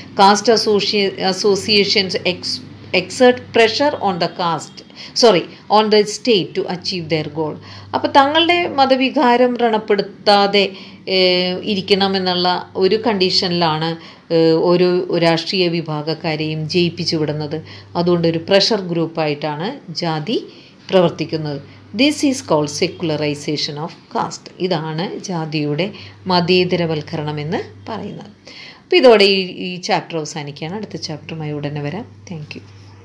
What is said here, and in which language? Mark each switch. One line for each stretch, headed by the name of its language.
English: Caste associations exert pressure on the caste sorry on the state to achieve their goal.
Malayalam: അപ്പോൾ തങ്ങളുടെ മതവികാരം വ്രണപ്പെടുത്താതെ ഇരിക്കണമെന്നുള്ള ഒരു കണ്ടീഷനിലാണ് ഓരോ രാഷ്ട്രീയ വിഭാഗക്കാരെയും ജയിപ്പിച്ചു വിടുന്നത്. അതുകൊണ്ട് ഒരു പ്രഷർ ഗ്രൂപ്പായിട്ടാണ് ജാതി പ്രവർത്തിക്കുന്നത്.
English: This is called secularization of caste.
Malayalam: ഇതാണ് ജാതിയുടെ മതേതരവൽക്കരണം എന്ന് പറയുന്നത്. അപ്പോൾ ഇതോടെ ഈ ചാപ്റ്റർ അവസാനിക്കുകയാണ്. അടുത്ത ചാപ്റ്ററുമായി ഉടനെ വരാം. Thank you.